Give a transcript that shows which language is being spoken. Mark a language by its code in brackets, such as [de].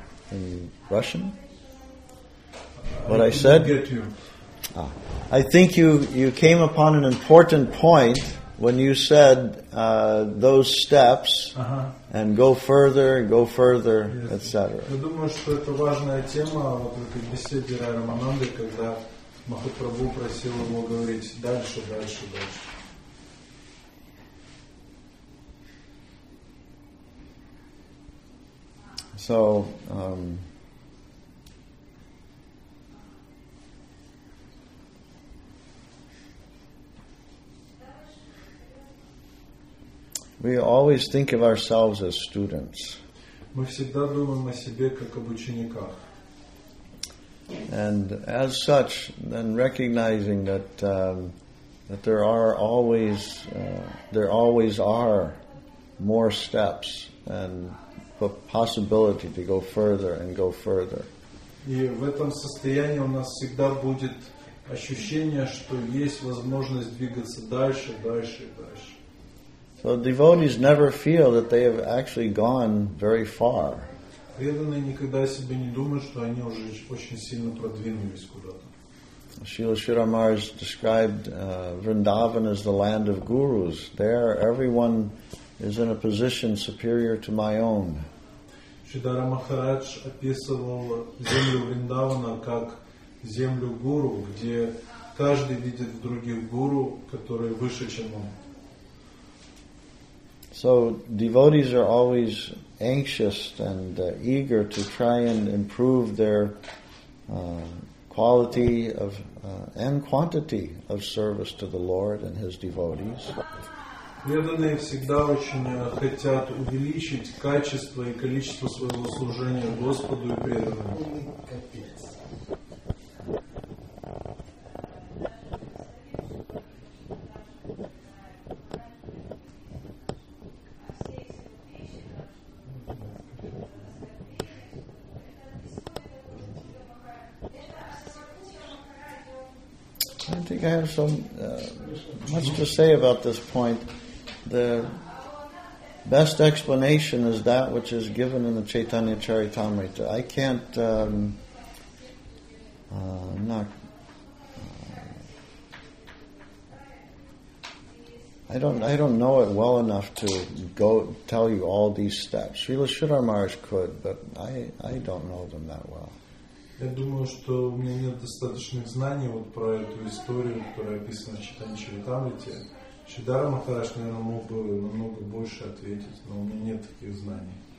[en] In Russian? What I said? Get you. I think you came upon an important point when you said those steps and go further, yes. Etc. [ru] Я думаю, что это важная тема вот в этой беседе Рай Рамананды, когда Махапрабху просил его говорить дальше. [en] So, We always think of ourselves as students. [ru] Мы всегда думаем о себе как об учениках. [en] And as such, then recognizing that that there always are more steps and the possibility to go further and go further. [ru] И в этом состоянии у нас всегда будет ощущение, что есть возможность двигаться дальше, дальше и дальше. [en] So devotees never feel that they have actually gone very far. [ru] Преданные никогда себе не думают, что они уже очень сильно продвинулись куда-то. [en] Srila Shrira Maharaj described Vrindavan as the land of gurus. There, everyone is in a position superior to my own. [ru] Шридхара Махарадж описывал землю Вриндавана как землю гуру, где каждый видит в других гуру, которые выше, чем он. [en] So devotees are always anxious and eager to try and improve their quality of and quantity of service to the Lord and His devotees. [ru] Преданные всегда очень хотят увеличить качество и количество своего служения Господу и преданным. [en] I have so much to say about this point. The best explanation is that which is given in the Chaitanya Charitamrita. I can't I don't know it well enough to go tell you all these steps. Srila Shridhar Maharaj could, but I don't know them that well. [ru] Я думаю, что у меня нет достаточных знаний вот про эту историю, которая описана в Чайтанья Чаритамрите. Шридхара Махарадж, наверное, мог бы намного больше ответить, но у меня нет таких знаний.